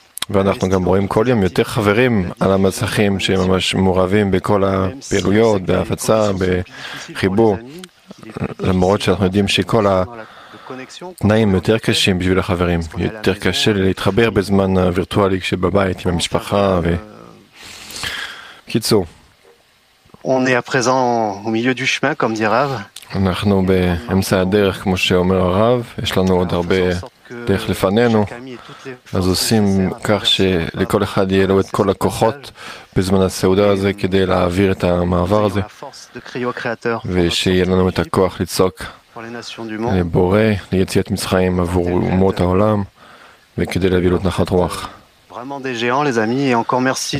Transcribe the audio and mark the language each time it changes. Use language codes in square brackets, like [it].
[he] ואנחנו גם רואים כל יום יותר חברים על המסכים שהם ממש מורבים בכל הפעילויות, בהפצה, בחיבור. למרות שאנחנו יודעים שכל התנאים יותר קשים בשביל החברים, יותר קשה להתחבר בזמן הווירטואלי כשבבית עם המשפחה וקיצור. [fr] On est à présent au milieu du chemin, comme dit Rav. [he] אנחנו באמצע הדרך, כמו שאומר הרב, יש לנו עוד הרבה דרך לפנינו, אז עושים כך שלכל אחד יהיה לו את כל הכוחות בזמן הסעודה הזה כדי להעביר את המעבר הזה, ושיהיה לנו את הכוח לצעוק לבורא, ליציאת מצרים עבור אומות העולם, וכדי להביא לו את נחת רוח. [fr] Vraiment des géants les amis et encore merci